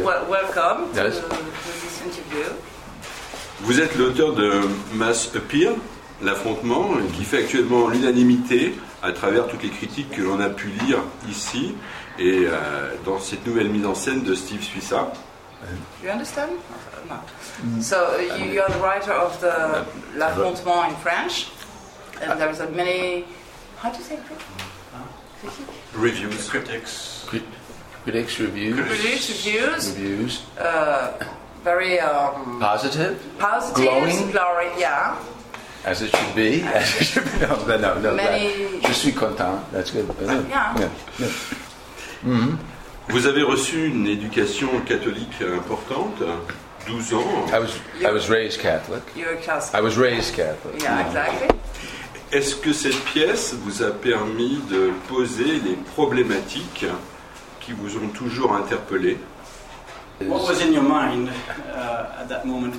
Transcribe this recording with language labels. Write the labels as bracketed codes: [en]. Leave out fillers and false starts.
[en] Welcome to yes. This interview. [fr] Vous êtes l'auteur de Mass Appeal, l'affrontement, qui fait actuellement l'unanimité à travers toutes les critiques que l'on a pu lire ici et dans cette nouvelle mise en scène de Steve Suissa. [en] You understand? No. So you are the writer of the L'affrontement in French, and there is a many. How do you say critique? Reviews, critics. Critics, reviews. Critics, reviews. Reviews. Very positive. Positive. Glowing. Glory, yeah. As it should be. As it should be. No. Many. [fr] Je suis content. [en] That's good. Yeah. Mm-hmm. [fr] Vous avez reçu une éducation catholique importante, 12 ans. [en] I was raised Catholic. You're a Catholic. I was raised Catholic. Yeah, exactly. [fr] Est-ce que cette pièce vous a permis de poser les problématiques qui vous ont toujours interpellé? [en] What was in your mind at that moment?